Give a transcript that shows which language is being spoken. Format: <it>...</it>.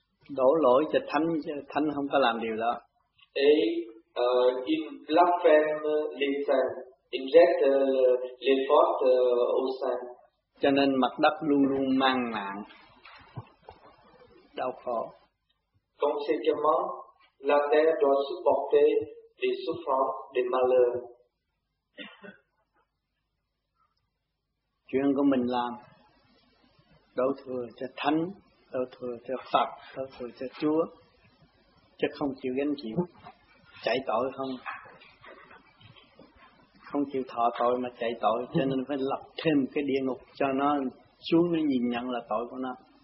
<vi>Đổ lỗi cho thánh, chứ thánh không có làm điều đó.</vi> <fr>Et ils blasphèment les saints, ils jettent les fautes aux saints.</fr> <vi>Cho nên mặt đất luôn luôn mang mạng.</vi> <fr>Conséquemment, la terre doit supporter des souffrances, des malheurs.</fr> <vi>Chuyện của mình làm, đổ thừa cho thánh, đổ thừa cho Phật, đổ thừa cho Chúa, chứ không chịu gánh chịu, chạy tội không, không chịu thọ tội mà chạy tội, cho nên phải lập thêm cái địa ngục cho nó, xuống nó nhìn nhận là tội của nó.</vi>